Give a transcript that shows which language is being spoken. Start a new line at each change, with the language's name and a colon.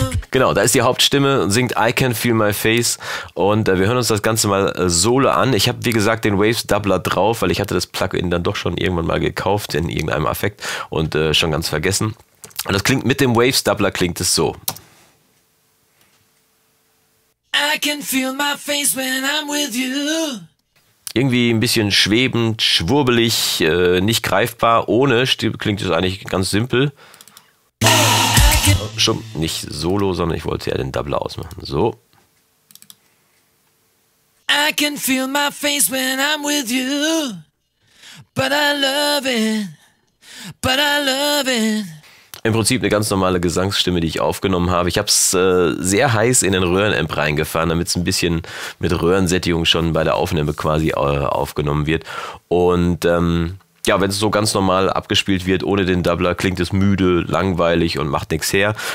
German: Genau, da ist die Hauptstimme und singt I Can Feel My Face und wir hören uns das Ganze mal solo an. Ich habe, wie gesagt, den Waves Doubler drauf, weil ich hatte das Plugin dann doch schon irgendwann mal gekauft in irgendeinem Affekt und schon ganz vergessen. Und das klingt mit dem Waves Doubler klingt es so.
English: I can feel my face when I'm with you.
German: Irgendwie ein bisschen schwebend, schwurbelig, nicht greifbar, ohne klingt es eigentlich ganz simpel. Schon nicht solo, sondern ich wollte ja den Doubler ausmachen. So.
English: I can feel my face when I'm with you. But I love it. But I love it.
German: Im Prinzip eine ganz normale Gesangsstimme, die ich aufgenommen habe. Ich habe es sehr heiß in den Röhrenamp reingefahren, damit es ein bisschen mit Röhrensättigung schon bei der Aufnahme quasi aufgenommen wird. Und ja, wenn es so ganz normal abgespielt wird, ohne den Doubler, klingt es müde, langweilig und macht nichts her.